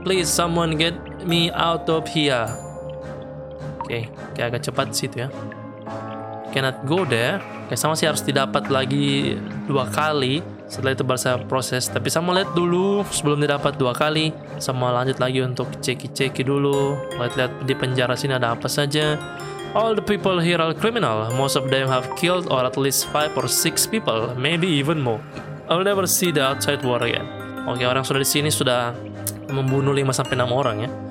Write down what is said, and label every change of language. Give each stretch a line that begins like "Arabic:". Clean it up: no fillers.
English: Please, someone get me out of here. Okay,
Indonesian: kayak agak cepat situ ya.
English: Cannot go there.
Indonesian: Kayak sama sih harus didapat lagi 2 kali. Setelah itu baru saya proses. Tapi saya mau lihat dulu sebelum didapat 2 kali. Saya mau lanjut lagi untuk ceki-ceki dulu. Lihat-lihat di penjara sini ada apa saja.
English: All the people here are criminal. Most of them have killed or at least 5 or 6 people. Maybe even more. I'll never see the outside world again.
Indonesian: Oke, orang yang sudah di sini sudah membunuh 5-6 orang ya.